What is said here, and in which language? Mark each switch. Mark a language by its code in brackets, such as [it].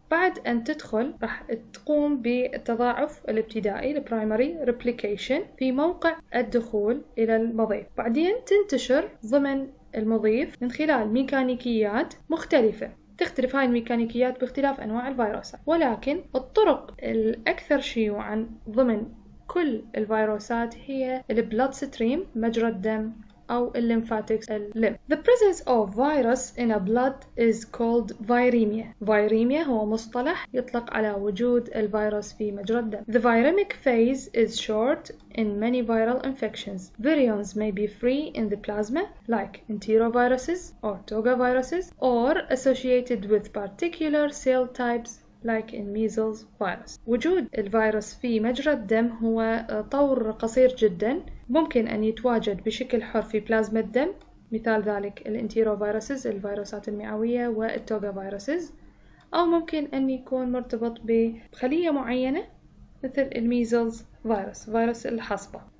[ar] بعد أن تدخل راح تقوم بالتضاعف الابتدائي primary replication في موقع الدخول إلى المضيف، بعدين تنتشر ضمن المضيف من خلال ميكانيكيات مختلفة. تختلف هاي الميكانيكيات باختلاف أنواع الفيروسات، ولكن الطرق الأكثر شيوعاً ضمن كل الفيروسات هي blood stream، مجرى الدم، أو الليمفاتيكس الليم. [en] The presence of virus in a blood is called viremia. [ar] Viremia هو مصطلح يطلق على وجود الفيروس في مجرى الدم. [en] The viremic phase is short in many viral infections. Virions may be free in the plasma like enteroviruses or togaviruses or associated with particular cell types like in measles virus. [ar] وجود الفيروس في مجرى الدم هو طور قصير جداً، ممكن أن يتواجد بشكل حر في بلازما الدم، مثال ذلك الانتيروفيروسز الفيروسات المعوية والتوغافيروسز، أو ممكن أن يكون مرتبط بخلية معينة مثل الميزلز فيروس، فيروس الحصبة.